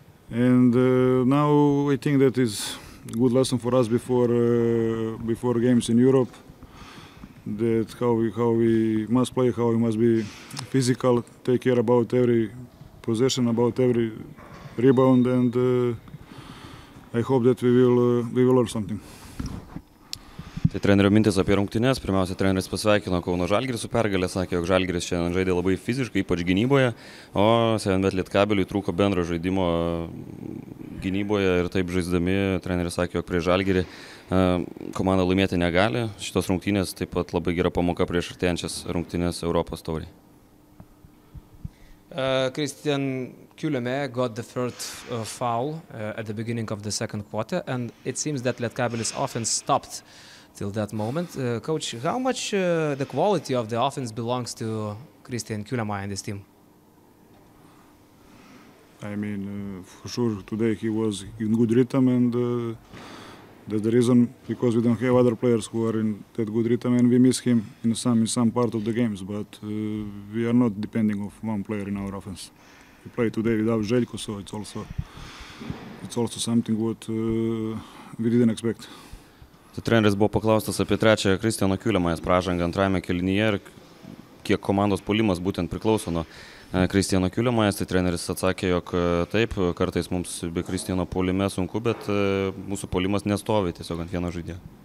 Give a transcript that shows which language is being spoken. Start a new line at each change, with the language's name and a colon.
English: And now I think that is a good lesson for us before games in Europe, that how we must play, how we must be physical, take care about every possession, about every rebound, and I hope that we will learn something.
Lithuanian: Tai trenerio mintis apie rungtynes. Pirmiausia, treneris pasveikino Kauno Žalgirį su pergale, sakė, jog Žalgiris šiandien žaidė labai fiziškai, ypač gynyboje, o 7-bet Lietkabeliui trūko bendro žaidimo gynyboje ir taip žaisdami, treneris sakė, jog prie Žalgirį komanda laimėti negali. Šitos rungtynės taip pat labai gera pamoka prieš artėjančias rungtynės Europos taurį.
English: Christian Kuleme got the third foul at the beginning of the second quarter, and it seems that Lietkabelis often stopped till that moment. Coach, how much the quality of the offense belongs to Christian Kulema and this team? I mean, for sure today he was in good rhythm, and that's the reason, because we don't have other players who are in that good rhythm, and we miss him in some part of the games, but we are not depending of one player in our offense. We play today without Željko, so it's also something what we didn't expect.
Lithuanian: Tai treneris buvo paklaustas apie trečią Kristiano Kiulemajas pražangą antrajame kelinyje ir kiek komandos puolimas būtent priklauso nuo Kristiano Kiulemajas. Tai treneris atsakė, jog taip, kartais mums be Kristiano puolime sunku, bet mūsų puolimas nestovi tiesiog ant vieno žaidėjo.